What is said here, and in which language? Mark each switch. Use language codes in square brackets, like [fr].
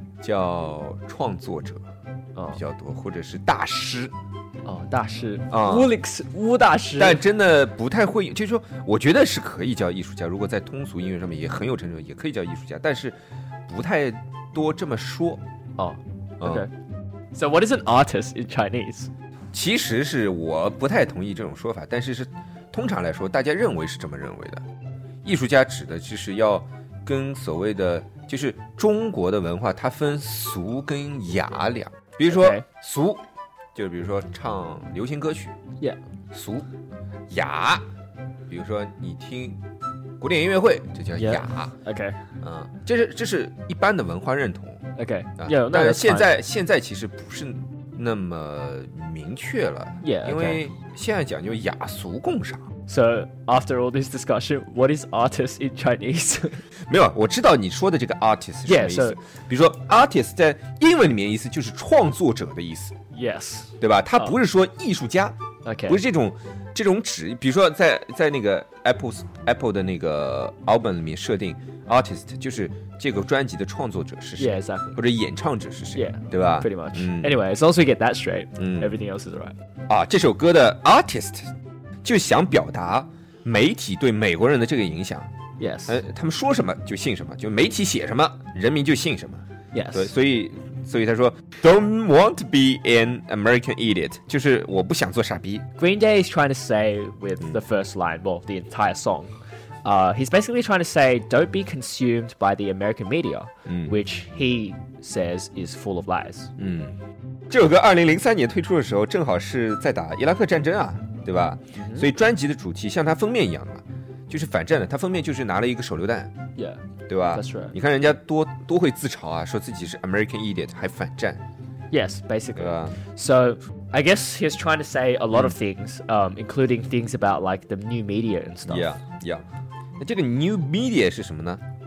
[zh] 叫创作者比较多、或者是大师哦，大师啊，乌里克斯乌大师，但真的不太会，就是说，我觉得是可以叫艺术家，如果在通俗音乐上面也很有成就，也可以叫艺术家，但是不太多这么说。哦 ，OK。 [en] So what is an artist in Chinese? [zh] 其实是我不太同意这种说法，但是是通常来说，大家认为是这么认为的。艺术家指的就是要跟所谓的，就是中国的文化，它分俗跟雅两。比如说、 [en] okay. [zh] 俗，就比如说唱流行歌曲， [en] yeah. [zh] 俗；雅，比如说你听古典音乐会，这叫雅。 [en] Yeah. OK， [zh] 嗯，这是一般的文化认同。 [en] OK， [zh] 啊、 [en] yeah, ， [zh] 但现在其实不是那么明确了， [en] yeah, okay. [zh] 因为现在讲究雅俗共赏。 [en] So after all this discussion, what is artist in Chinese? [zh] 没有，我知道你说的这个 artist 是什么意思。 [en] Yeah, so, [zh] 比如说 artist 在英文里面意思就是创作者的意思。 [en] Yes， [zh] 对吧？它不是说艺术家。 [en] Okay. [zh] 不是这种指。比如说在那个 Apple 的那个 album 里面设定 artist 就是这个专辑的创作者是谁， [en] yeah, exactly. [zh] 或者演唱者是谁， [en] yeah, [zh] 对吧？ [en] Pretty much.、嗯、anyway, as long as we get that straight,、嗯、everything else is right. [zh] 啊，这首歌的 artist。就想表达媒体对美国人的这个影响。 [en] Yes、 [zh] 他们说什么就信什么，就媒体写什么人民就信什么。 [en] Yes， [zh] 所以他说 [en] Don't want to be an American idiot， [zh] 就是我不想做傻逼。 [en] Green Day is trying to say with the first line, well, the entire song、he's basically trying to say don't be consumed by the American media、which he says is full of lies、 [zh] 这首歌2003年推出的时候正好是在打伊拉克战争啊，对吧？所以专辑的主题像它封面一样的，就是反战的。它封面就是拿了一个手榴弹， [en] yeah, [zh] 对吧？ [en] That's right. [zh] 你看人家多会自嘲啊，说自己是 American idiot 还反战。 [en] Yes, basically. So I guess he's trying to say a lot of things, including things about like the new media and stuff. Yeah, yeah. [zh] 那这个 new media 是什么呢？